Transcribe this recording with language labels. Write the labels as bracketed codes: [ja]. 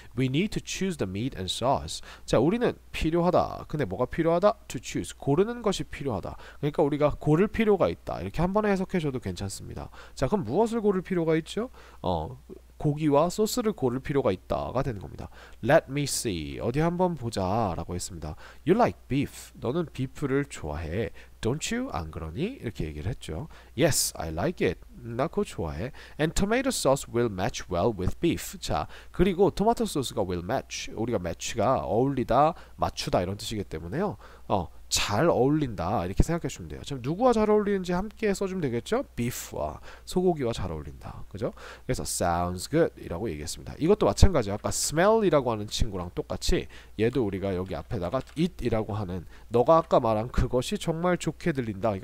[en] We need to choose the meat and sauce. [ko] 자, 우리는 필요하다. 근데 뭐가 필요하다? [en] To choose. [ko] 고르는 것이 필요하다. 그러니까 우리가 고를 필요가 있다. 이렇게 한 번에 해석해줘도 괜찮습니다. 자, 그럼 무엇을 고를 필요가 있죠? 고기와 소스를 고를 필요가 있다가 되는 겁니다. [en] Let me see. [ko] 어디 한번 보자라고 했습니다. [en] You like beef. [ko] 너는 비프를 좋아해. [en] Don't you? [ko] 안 그러니? 이렇게 얘기를 했죠. [en] Yes, I like it. [ko] 나 그거 좋아해. [en] And tomato sauce will match well with beef. [ko] 자, 그리고 토마토 소스가 [en] will match. [ko] 우리가 match가 어울리다, 맞추다 이런 뜻이기 때문에요. 잘 어울린다 이렇게 생각해 주면 돼요. 지금 누구와 잘 어울리는지 함께 써주면 되겠죠? Beef와 소고기와 잘 어울린다, 그죠? 그래서 [en] sounds good [ko] 이라고 얘기했습니다. 이것도 마찬가지 아까 smell이라고 하는 친구랑 똑같이 얘도 우리가 여기 앞에다가 it이라고 하는 너가 아까 말한 그것이 정말 좋게 들린다.